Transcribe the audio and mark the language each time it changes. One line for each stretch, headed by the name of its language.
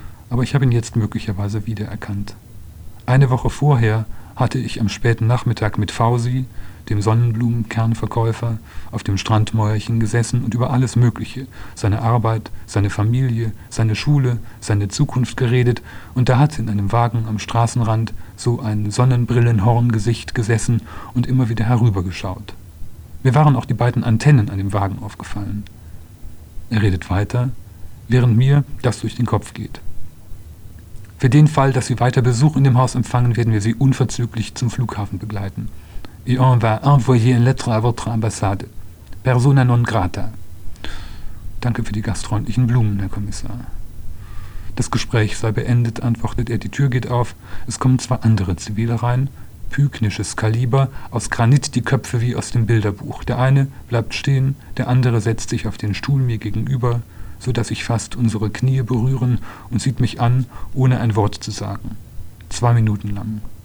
German: Aber ich habe ihn jetzt möglicherweise wiedererkannt. Eine Woche vorher hatte ich am späten Nachmittag mit Fauzi, dem Sonnenblumenkernverkäufer, auf dem Strandmäuerchen gesessen und über alles Mögliche, seine Arbeit, seine Familie, seine Schule, seine Zukunft geredet, und da hat in einem Wagen am Straßenrand so ein Sonnenbrillenhorngesicht gesessen und immer wieder herübergeschaut. Mir waren auch die beiden Antennen an dem Wagen aufgefallen. Er redet weiter, während mir das durch den Kopf geht. Für den Fall, dass Sie weiter Besuch in dem Haus empfangen, werden wir Sie unverzüglich zum Flughafen begleiten.
French: Et on va envoyer une lettre à votre ambassade.
Latin: Persona non grata.
German: Danke für die gastfreundlichen Blumen, Herr Kommissar. Das Gespräch sei beendet, antwortet er, die Tür geht auf. Es kommen 2 andere Zivile rein, pyknisches Kaliber, aus Granit die Köpfe wie aus dem Bilderbuch. Der eine bleibt stehen, der andere setzt sich auf den Stuhl mir gegenüber, so dass ich fast unsere Knie berühren, und sieht mich an, ohne ein Wort zu sagen. 2 Minuten lang.